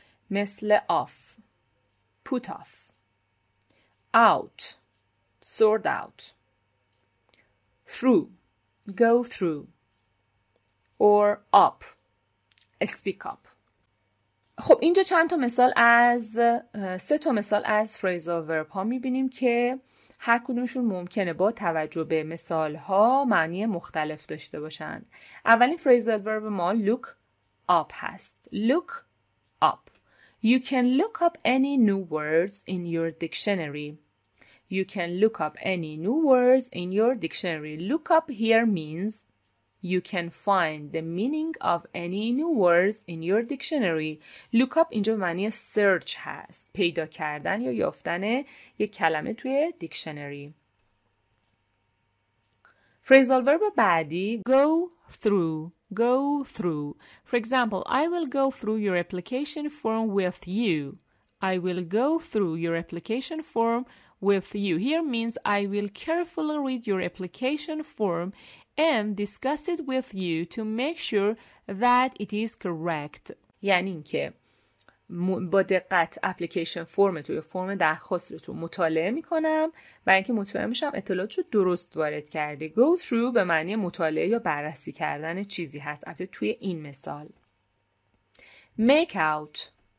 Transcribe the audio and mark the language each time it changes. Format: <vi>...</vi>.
<en>مثل off. Put off. Out. Sort out. Through. Go through. Or up. Speak up.</en> <fa>خب اینجا چند تا مثال از سه تا مثال از phrasal verb ها میبینیم که هر کدومشون ممکنه با توجه به مثال ها معنی مختلف داشته باشن. اولین phrasal verb ما look up هست.</fa> <en>Look up. You can look up any new words in your dictionary. You can look up any new words in your dictionary. Look up here means you can find the meaning of any new words in your dictionary.</en> <fa>Look up اینجا معنی search هست. پیدا کردن یا یافتن یک کلمه توی dictionary.</fa> <en>Phrasal verb بعدی go through. Go through. For example, I will go through your application form with you. I will go through your application form with you. Here means I will carefully read your application form and discuss it with you to make sure that it is correct.</en> <fa>یعنی این که با دقت application form تو یا form درخواست رو تو مطالعه می کنم و اینکه مطمئن بشم اطلاعات رو درست وارد کرده. Go through به معنی مطالعه یا بررسی کردن چیزی هست. البته توی این مثال. Make out.</fa>